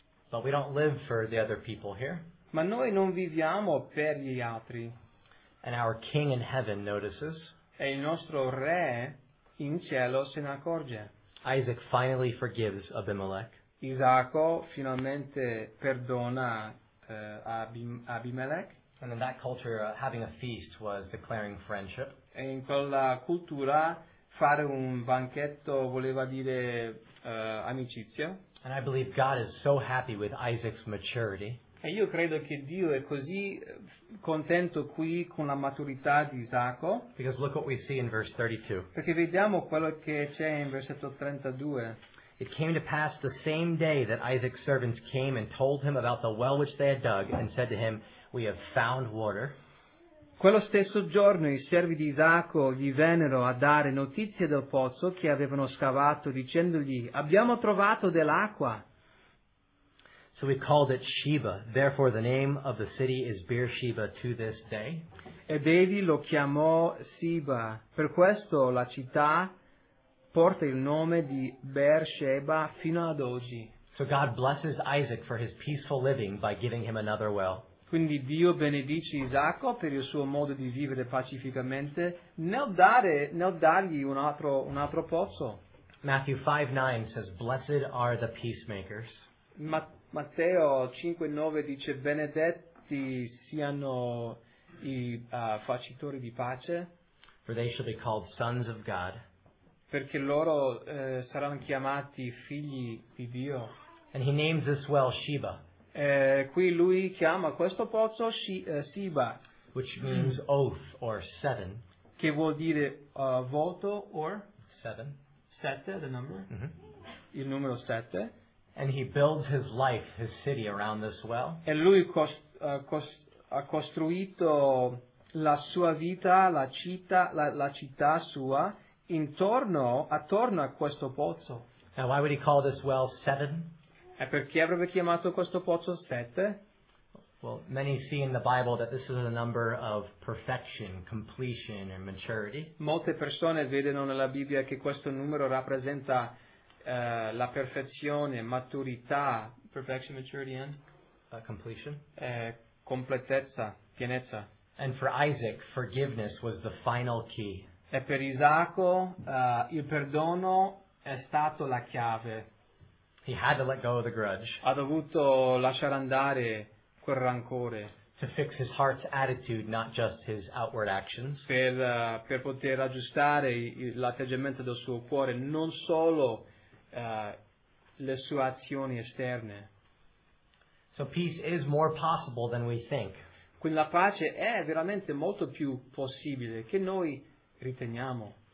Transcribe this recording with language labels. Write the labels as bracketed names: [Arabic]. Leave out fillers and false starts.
[English] But we don't live for the other people here. [Italian] Ma noi non viviamo per gli altri. [English] And our king in heaven notices. [Italian] E il nostro re in cielo se ne accorge. [English] Isaac finally forgives Abimelech. [Italian] Isacco finalmente perdona Abimelech. [English] And in that culture, having a feast was declaring friendship. [Italian] E in quella cultura fare un banchetto voleva dire amicizia. [English] And I believe God is so happy with Isaac's maturity. [Italian] E io credo che Dio è così contento qui con la maturità di Isacco. [English] Because look what we see in verse 32. [Italian] Perché vediamo quello che c'è in versetto 32. [English] It came to pass the same day that Isaac's servants came and told him about the well which they had dug and said to him, "We have found water." [Italian] Quello stesso giorno i servi di Isacco gli vennero a dare notizie del pozzo che avevano scavato, dicendogli, abbiamo trovato dell'acqua. [English] So we called it Sheba, therefore the name of the city is Beersheba to this day. [Italian] Ed egli lo chiamò Sheba, per questo la città porta il nome di Beersheba fino ad oggi. [English] So God blesses Isaac for his peaceful living by giving him another well. [Italian] Quindi Dio benedice Isacco per il suo modo di vivere pacificamente nel dargli un altro pozzo. [English] Matthew 5:9 says, "Blessed are the peacemakers." [Italian] Matteo 5:9 dice, "Benedetti siano i facitori di pace." [English] For they shall be called sons of God. [Italian] Perché loro saranno chiamati figli di Dio. [English] And he names this well Sheba. [Italian] Qui lui chiama questo pozzo Sheba, [English] which means oath or seven, [Italian] che vuol dire voto [English] or seven. [Italian] Sette, [English] the number, mm-hmm. [Italian] Il numero sette. [English] And he builds his life, his city around this well. [Italian] E lui ha costruito la sua vita, la città sua, attorno a questo pozzo. [English] Now, why would he call this well 7? [Italian] E perché avrebbe chiamato questo pozzo 7? [English] Well, many see in the Bible that this is a number of perfection, completion, and maturity. [Italian] Molte persone vedono nella Bibbia che questo numero rappresenta la perfezione, maturità. [English] Perfection, maturity, and completion. [Italian] Completezza, pienezza. [English] And for Isaac, forgiveness was the final key. [Italian] E per Isacco, il perdono è stato la chiave. [English] He had to let go of the grudge. [Italian] Ha dovuto lasciare andare quel rancore. [English] To fix his heart's attitude, not just his outward actions. [Italian] Per poter aggiustare l'atteggiamento del suo cuore, non solo le sue azioni esterne. [English] So peace is more possible than we think. [Italian] Quindi la pace è veramente molto più possibile che noi riteniamo.